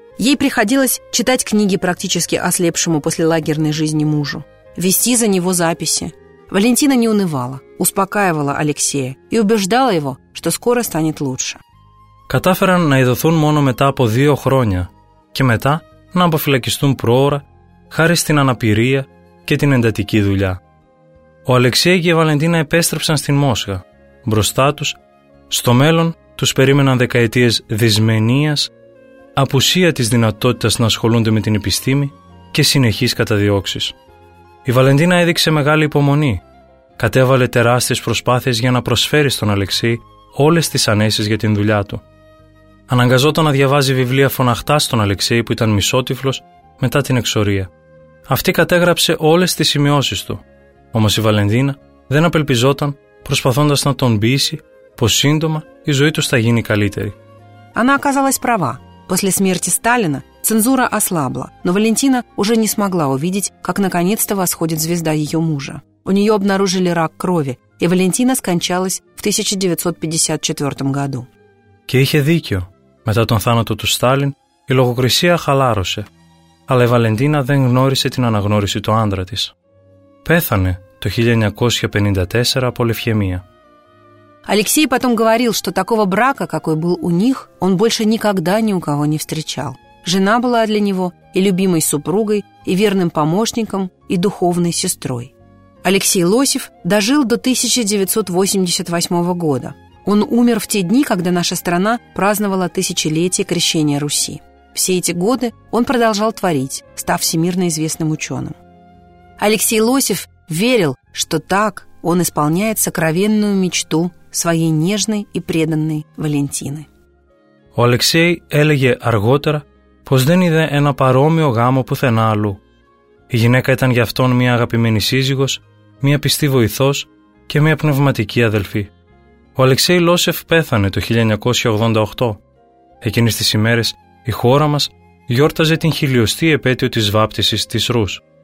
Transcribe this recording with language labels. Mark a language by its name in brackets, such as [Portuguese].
[Russian] Ей приходилось читать книги практически ослепшему после лагерной жизни мужу, вести за него записи. Валентина не унывала, успокаивала Алексея и убеждала его, что скоро станет лучше. [Greek] Катάφεραν να ειδωθούν μόνο μετά από 2 χρόνια και μετά να αποφυλακιστούν πρόωρα χάρη στην αναπηρία και την εντατική δουλειά. Ο Αλεξέη και η Βαλεντίνα επέστρεψαν στην Μόσχα. Μπροστά τους, στο μέλλον, τους περίμεναν δεκαετίες δυσμενίας, απουσία της δυνατότητας να ασχολούνται με την επιστήμη και συνεχείς καταδιώξεις. Η Βαλεντίνα έδειξε μεγάλη υπομονή. Κατέβαλε τεράστιες προσπάθειες για να προσφέρει στον Αλεξέη όλες τις ανέσεις για την δουλειά του. Αναγκαζόταν να διαβάζει βιβλία φωναχτά στον Αλεξέη που ήταν μισότυφλος μετά την εξορία. Αυτή κατέγραψε όλες τις σημειώσεις του. Όμως η Βαλεντίνα δεν απελπιζόταν, προσπαθώντας να τον πείσει πως σύντομα η ζωή του θα γίνει καλύτερη. [Russian] Она оказалась права. После смерти Сталина цензура ослабла, но Валентина уже не смогла увидеть, как наконец-то восходит звезда ее мужа. У нее обнаружили рак крови, и Валентина скончалась в 1954 году. [Greek] Και είχε δίκιο. Μετά τον θάνατο του Στάλιν, η λογοκρισία χαλάρωσε. Αλλά η Βαλεντίνα δεν γνώρισε την αναγνώριση του άντρα της. Πέθανε το 1954 από λευχαιμία. [Russian] Алексей потом говорил, что такого брака, какой был у них, он больше никогда ни у кого не встречал. Жена была для него и любимой супругой, и верным помощником, и духовной сестрой. Алексей Лосев дожил до 1988 года. Он умер в те дни, когда наша страна праздновала тысячелетие крещения Руси. Все эти годы он продолжал творить, став всемирно известным ученым. Алексей Лосев верил, что так он исполняет сокровенную мечту своей нежной и преданной Валентины. [Greek] Ο Алексей έλεγε αργότερα πως δεν είδε ένα παρόμοιο γάμο πουθενά αλλού. Η γυναίκα ήταν για αυτόν μια αγαπημένη σύζυγος, μια πιστή βοηθός και μια πνευματική αδελφή. Ο Αλεξέη Λόσεφ πέθανε το 1988. Εκείνες τις ημέρες η χώρα μας γιόρταζε την 1000η επέτειο της βάπτισης της Ρους.